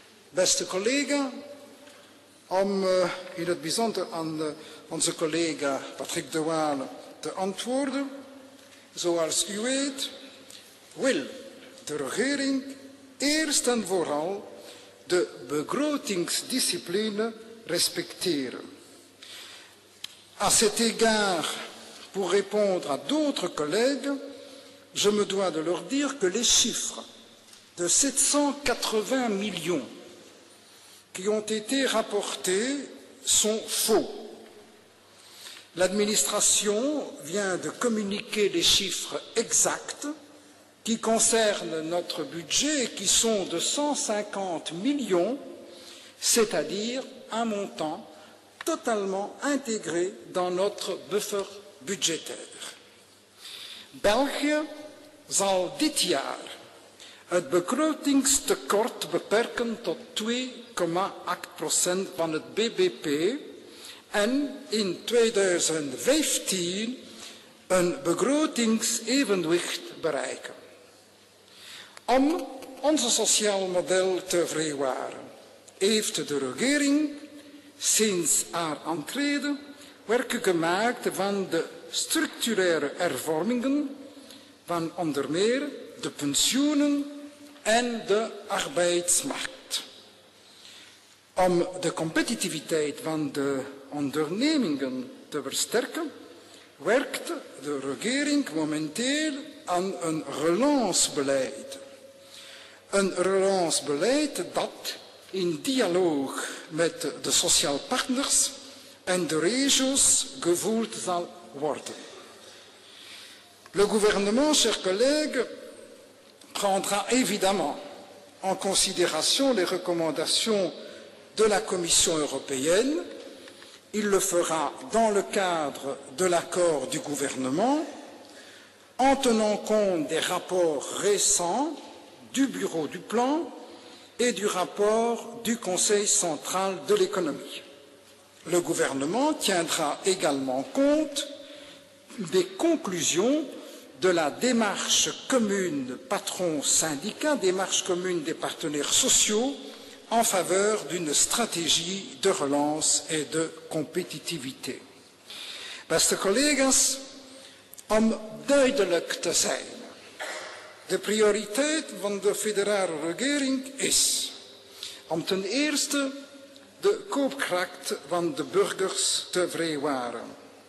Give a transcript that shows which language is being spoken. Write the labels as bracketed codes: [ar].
[nl] Beste collega, om in het bijzonder aan onze collega Patrick de Waal te antwoorden, zoals u weet, wil de regering eerst en vooral de begrotingsdiscipline respecteren. [fr] À cet égard, pour répondre à d'autres collègues, je me dois de leur dire que les chiffres de 780 millions qui ont été rapportés sont faux. L'administration vient de communiquer les chiffres exacts qui concernent notre budget et qui sont de 150 millions, c'est-à-dire un montant totalement intégré dans notre buffer budgétaire. [nl] België zal dit jaar het begrotingstekort beperken tot 2,8% van het BBP en in 2015 een begrotingsevenwicht bereiken. Om onze sociaal model te vrijwaren, heeft de regering sinds haar aantreden werken gemaakt van de structurele hervormingen van onder meer de pensioenen en de arbeidsmarkt. Om de competitiviteit van de ondernemingen te versterken, werkt de regering momenteel aan een relancebeleid. Een relancebeleid dat in dialoog met de sociaal partners en de regio's gevoerd zal worden. [fr] Le gouvernement, chers collègues, prendra évidemment en considération les recommandations de la Commission européenne. Il le fera dans le cadre de l'accord du gouvernement, en tenant compte des rapports récents du bureau du plan et du rapport du Conseil central de l'économie. Le gouvernement tiendra également compte des conclusions de la démarche commune patron-syndicat, démarche commune des partenaires sociaux en faveur d'une stratégie de relance et de compétitivité. [nl] Beste collega's, om duidelijk te zijn, de prioriteit van de federale regering is om ten eerste de koopkracht van de burgers te vrijwaren.